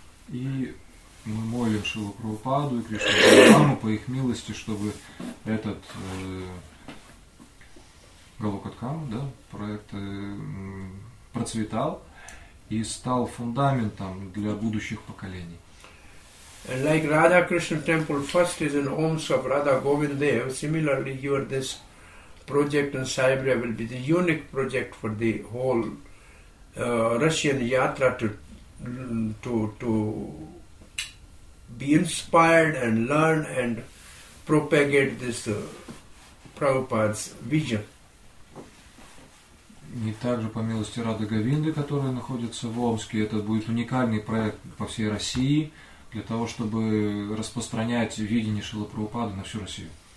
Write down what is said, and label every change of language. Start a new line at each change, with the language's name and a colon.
Russian: И мы молим Шрилу Прабхупаду и Кришну Балараму по их милости, чтобы этот Галокатхам, да, проект процветал и стал фундаментом для будущих поколений.
English: And like Radha Krishna temple first is in homes of Radha Govindev, similarly here this project in Siberia will be the unique project for the whole Russian Yatra to to be inspired and learn and propagate this Prabhupada's vision.
Russian: И также по милости Рады Говинды, которая находится в Омске, это будет уникальный проект по всей России для того, чтобы распространять видение Шрилы Прабхупады на всю Россию.